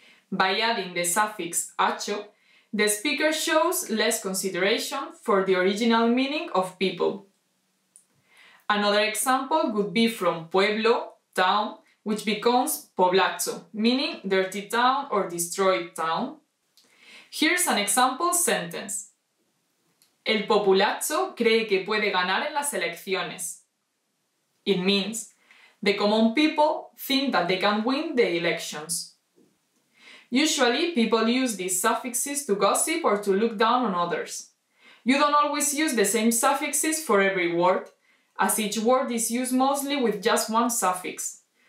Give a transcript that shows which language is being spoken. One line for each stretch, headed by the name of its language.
English: By adding the suffix acho, the speaker shows less consideration for the original meaning of people. Another example would be from pueblo, town, which becomes poblazo, meaning dirty town or destroyed town. Here's an example sentence.
Spanish: El populazo cree que puede ganar en las elecciones.
English: It means, the common people think that they can win the elections. Usually, people use these suffixes to gossip or to look down on others. You don't always use the same suffixes for every word, as each word is used mostly with just one suffix.